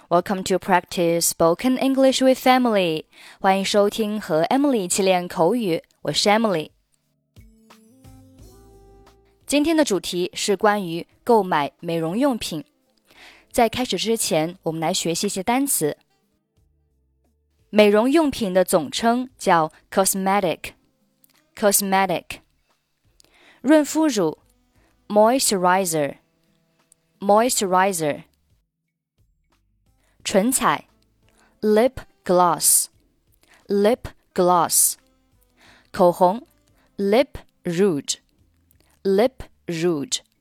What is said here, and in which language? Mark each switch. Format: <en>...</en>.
<en>Welcome to Practice Spoken English with Emily.</en> <zh>欢迎收听和 Emily 一起练口语。我是 Emily。今天的主题是关于购买美容用品。在开始之前，我们来学习一些单词。美容用品的总称叫 cosmetic, cosmetic。</zh> <en>润肤乳 moisturizer, moisturizer。唇彩 lip gloss, lip gloss. 口红 lip rouge, lip rouge.</en>